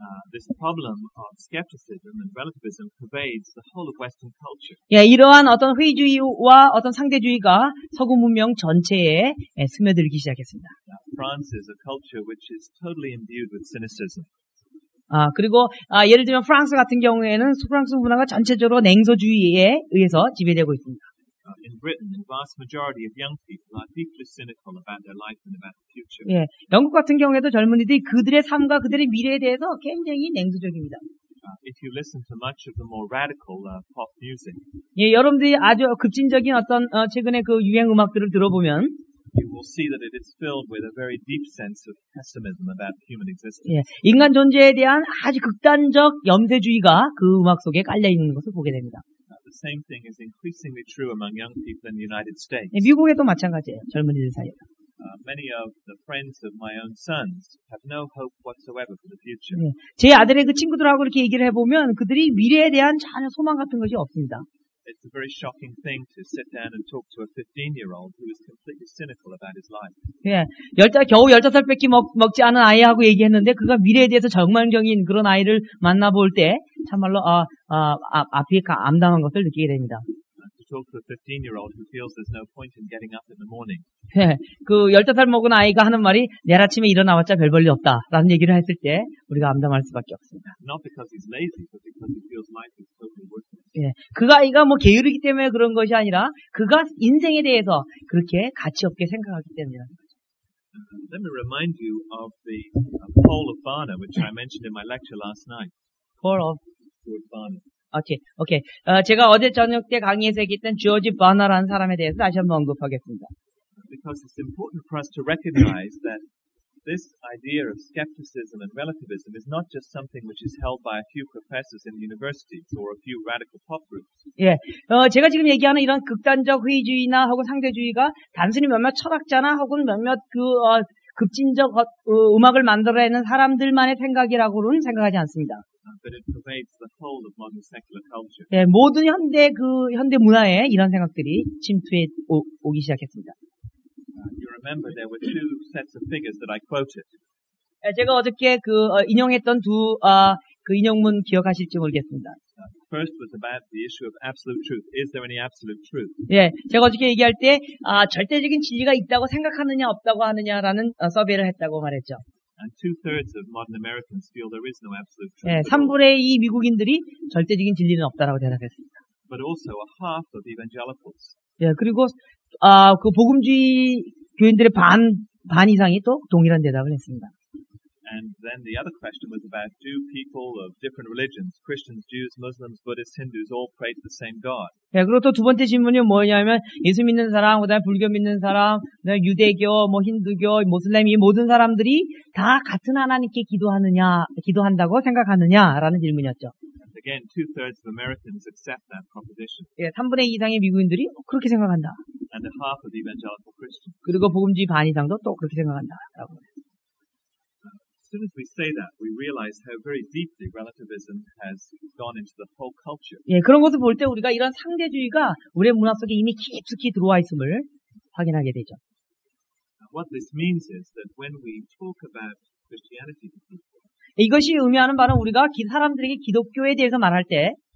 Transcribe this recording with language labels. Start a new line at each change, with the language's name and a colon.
English: This problem of skepticism and relativism pervades the whole of Western culture.
Korean: 예, 이러한 어떤 회의주의와 어떤 상대주의가 서구 문명 전체에 스며들기 시작했습니다.
English: France is a culture which is totally imbued with cynicism.
Korean: 그리고 예를 들면 프랑스 같은 경우에는 프랑스 문화가 전체적으로 냉소주의에 의해서 지배되고 있습니다.
English: In Britain, the vast majority of young people are deeply cynical about their life and about the future.
Korean: 예, 영국 같은 경우에도 젊은이들이 그들의 삶과 그들의 미래에 대해서 굉장히 냉소적입니다.
English: If you listen to much of the more radical pop music,
Korean: 예, 여러분들이 아주 급진적인 어떤 최근의 그 유행 음악들을 들어보면,
English: you will see that it is filled with a very deep sense of pessimism about human existence.
Korean: 예, 인간 존재에 대한 아주 극단적 염세주의가 그 음악 속에 깔려 있는 것을 보게 됩니다.
English: The same thing is increasingly true among young people in the United States.
Korean: 예, 미국에도 마찬가지예요. 젊은이들 사이에.
English: Many of the friends of my own sons have no hope whatsoever for the future.
Korean: 예, 제 아들의 그 친구들하고 이렇게 얘기를 해보면 그들이 미래에 대한 전혀 소망 같은 것이 없습니다.
English: It's a very shocking thing to sit down and talk to a 15-year-old who is completely cynical about his life.
Korean: 예, 겨우 열다섯 뺏기 먹지 않은 아이하고 얘기했는데 그가 미래에 대해서 절망적인 그런 아이를 만나볼 때 참말로 앞이 암담한 것을 느끼게 됩니다.
English: To talk to a 15-year-old who feels there's no point in getting up in the morning.
Korean: 예, 그 열다섯 먹은 아이가 하는 말이 내일 아침에 일어나봤자 별 볼 일 없다라는 얘기를 했을 때 우리가 암담할 수밖에 없습니다.
English: Not because he's lazy, but because he feels life is totally worthless.
Korean: 예, 그 아이가 뭐 게으르기 때문에 그런 것이 아니라 그가 인생에 대해서 그렇게 가치 없게 생각하기 때문이라.
English: Let me remind you of the Paul of Varna, which I mentioned in my lecture last night. Paul of Varna. Okay, okay.
Korean: 제가 어제 저녁 때 강의에서 얘기했던 조지 바나라는 사람에 대해서 다시 한번 언급하겠습니다.
English: Because it's important for us to recognize that this idea of skepticism and relativism is not just something which is held by a few professors in universities or a few radical pop groups.
Korean: 예, 제가 지금 얘기하는 이런 극단적 회의주의나 혹은 상대주의가 단순히 몇몇 철학자나 혹은 몇몇 그 급진적 음악을 만들어내는 사람들만의 생각이라고는 생각하지 않습니다.
English: But it pervades the whole of modern secular culture.
Korean: 예, 모든 현대 문화에 이런 생각들이 침투해 오기 시작했습니다.
English: You remember there were two sets of figures that I quoted.
Korean: 예, 제가 어저께 그 인용했던 두 그 인용문 기억하실지 모르겠습니다.
English: First was about the issue of absolute truth. Is there any absolute truth?
Korean: 예, 제가 어저께 얘기할 때 절대적인 진리가 있다고 생각하느냐 없다고 하느냐라는 서베이를 했다고 말했죠.
English: And two-thirds of modern Americans feel there is no absolute truth.
Korean: 예, 3분의 2 미국인들이 절대적인 진리는 없다라고 대답했습니다.
English: but also a half of evangelicals.
Korean: 예, 그리고 아, 그 복음주의 교인들의 반 이상이 또 동일한 대답을 했습니다.
English: And then the other question was about do people of different religions, Christians, Jews, Muslims, Buddhists, Hindus all pray to the same God?
Korean: 예, 그리고 또 두 번째 질문이 뭐냐면 예수 믿는 사람, 그다음에 불교 믿는 사람, 그다음에 유대교, 뭐 힌두교, 무슬림 이 모든 사람들이 다 같은 하나님께 기도하느냐, 기도한다고 생각하느냐라는 질문이었죠.
English: Again, two-thirds of Americans accept that proposition.
Korean: 예, 3분의 2 이상의 미국인들이 그렇게 생각한다.
English: And a half of the evangelical Christians.
Korean: 그리고 복음주의 반 이상도 또 그렇게 생각한다라고.
English: As soon as we say that, we realize how very deeply relativism has gone into the whole culture.
Korean: 예, 그런 것을 볼 때 우리가 이런 상대주의가 우리의 문화 속에 이미 깊숙이 들어와 있음을 확인하게 되죠.
English: What this means is that when we talk about Christianity to people,
Korean: 이것이 의미하는 바는 우리가 사람들에게 기독교에 대해서 말할 때